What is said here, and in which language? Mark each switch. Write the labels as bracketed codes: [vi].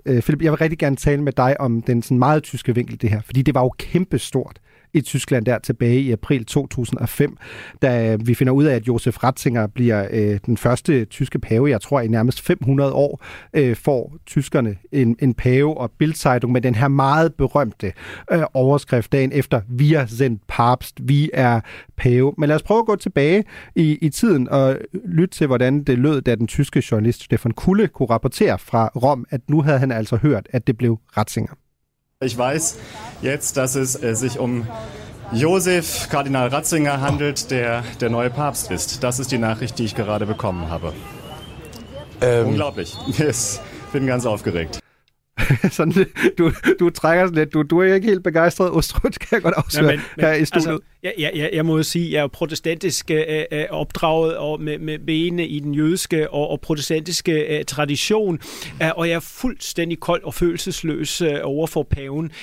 [da] Philip, jeg vil rigtig gerne tale med dig om den sådan meget tyske vinkel, det her. Fordi det var jo kæmpestort i Tyskland der tilbage i april 2005, da vi finder ud af, at Josef Ratzinger bliver den første tyske pave, jeg tror i nærmest 500 år, får tyskerne en pave og Bildzeitung med den her meget berømte overskrift dagen efter, [de] wir sind Papst, [da] vi er pave. Men lad os prøve at gå tilbage i tiden og lytte til, hvordan det lød, da den tyske journalist Stefan Kulle kunne rapportere fra Rom, at nu havde han altså hørt, at det blev Ratzinger. [de] Ich weiß jetzt, dass es sich um Josef Kardinal Ratzinger handelt, der neue Papst ist. Das ist die Nachricht, die ich gerade bekommen habe. Unglaublich. Yes, bin ganz aufgeregt. [da] sådan lidt, du trækker sådan lidt, du er ikke helt begejstret ostrødt, kan jeg godt afsløre. Nej, men, her i studiet. Altså, jeg må jo sige, jeg er jo protestantisk opdraget og med benene i den jødiske og protestantiske tradition, og jeg er fuldstændig kold og følelsesløs over for paven.